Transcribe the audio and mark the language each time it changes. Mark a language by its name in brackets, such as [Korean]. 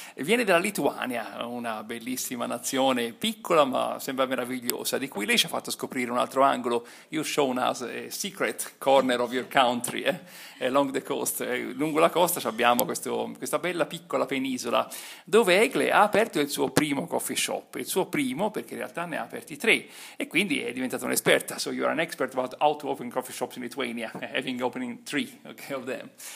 [Italian] Viene dalla Lituania, una bellissima nazione, piccola ma sembra meravigliosa, di cui lei ci ha fatto scoprire un altro angolo. [English] You've shown us a secret corner of your country, along the coast. [Italian] Lungo la costa abbiamo questa bella piccola penisola dove Egle ha aperto il suo primo coffee shop, il suo primo, perché in realtà ne ha aperti tre, e quindi è diventata un'esperta. [English] So you're an expert about how to open coffee shops in Lithuania, having opened three, okay, of them.